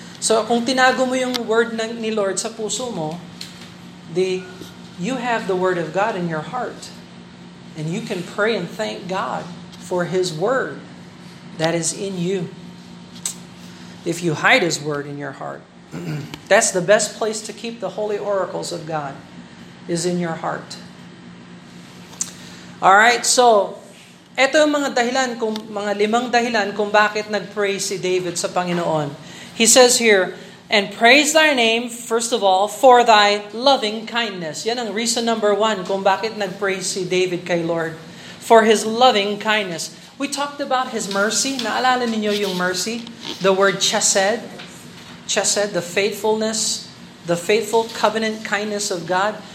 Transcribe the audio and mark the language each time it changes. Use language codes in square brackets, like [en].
[en] So, [tl] kung tinago mo yung word ni Lord sa puso mo, [en] you have the word of God in your heart. And you can pray and thank God for His word that is in you. If you hide His word in your heart, That's the best place to keep the holy oracles of God, is in your heart. [tl] All right, so ito yung mga dahilan, kung mga limang dahilan kung bakit nag-pray si David sa Panginoon. [en] He says here, and praise thy name, first of all, for thy loving kindness. [tl] Yan ang reason number one kung bakit nag-pray si David kay Lord. [en] For his loving kindness. We talked about his mercy. [tl] Naalala ninyo yung mercy? [en] The word chesed. Chesed, the faithfulness, the faithful covenant kindness of God.